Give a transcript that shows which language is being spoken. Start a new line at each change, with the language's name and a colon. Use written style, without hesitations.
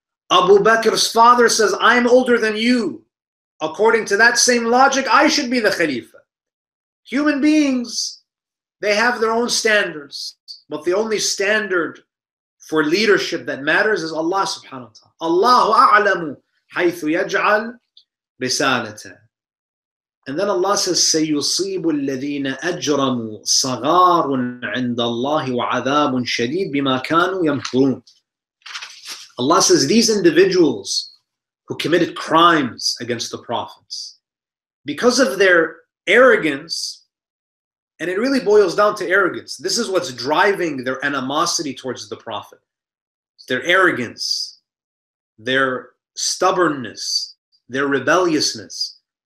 English: Abu Bakr's father says, I'm older than you. According to that same logic, I should be the Khalifa. Human beings, they have their own standards, but the only standard for leadership that matters is Allah subhanahu wa ta'ala.
Arabic: Allahu a'lamu haythu yaj'al risalata.
English: And then Allah says,
Arabic: سَيُصِيبُ الَّذِينَ أَجْرَمُوا صَغَارٌ عِنْدَ اللَّهِ وَعَذَابٌ شَدِيدٌ بِمَا كَانُوا يَمْكُرُونَ.
English: Allah says, these individuals who committed crimes against the prophets, because of their arrogance, and it really boils down to arrogance, this is what's driving their animosity towards the prophet. It's their arrogance, their stubbornness, their rebelliousness.